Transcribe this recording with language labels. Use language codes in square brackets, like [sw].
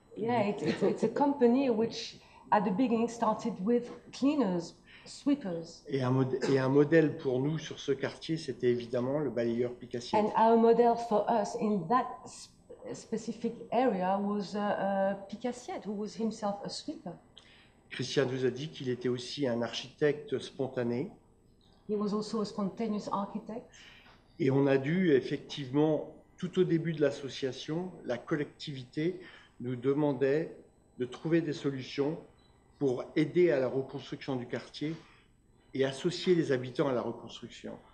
[en] Yeah, it's a company which at the beginning started with cleaners, sweepers. [fr] Et un modèle pour nous sur ce quartier, c'était évidemment le balayeur Picassiette. [en] And our model for us in that specific area was Picassiette, who was himself a sweeper. [fr] Christian nous a dit qu'il était aussi un architecte spontané. [en] He was also a spontaneous architect. [fr] Et on a dû effectivement, tout au début de l'association, la collectivité nous demandait de trouver des solutions pour aider à la reconstruction du quartier et associer les habitants à la reconstruction.